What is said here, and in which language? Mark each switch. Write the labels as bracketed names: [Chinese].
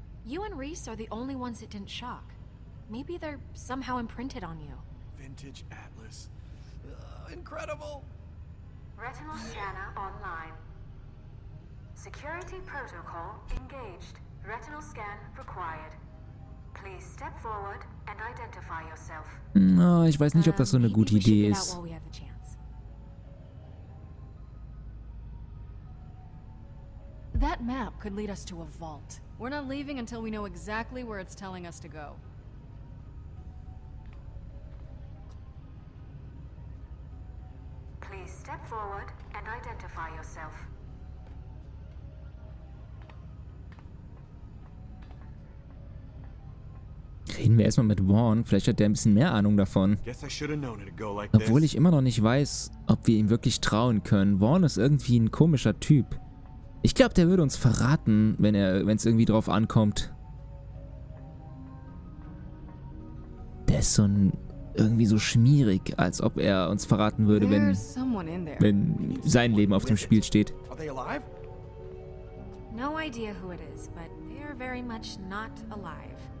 [English] You and Reese are the only ones it didn't shock. Maybe they're somehow imprinted on you. Vintage Atlas. Incredible! Retinal scanner online. Security protocol engaged. Retinal scan required. Please step forward and identify yourself. [German] Oh, ich weiß nicht, ob das so eine gute Idee ist. [English] That map could lead us to a vault. We're not leaving until we know exactly where it's telling us to go. Please step forward and identify yourself. [German] Reden wir erstmal mit Vaughn. Vielleicht hat der ein bisschen mehr Ahnung davon. Obwohl ich immer noch nicht weiß, ob wir ihm wirklich trauen können. Vaughn ist irgendwie ein komischer Typ. Ich glaube, der würde uns verraten, wenn es irgendwie drauf ankommt. Der ist so ein, irgendwie so schmierig, als ob er uns verraten würde, wenn sein Leben auf dem Spiel steht. [English] No idea who it is, but they are very much not alive.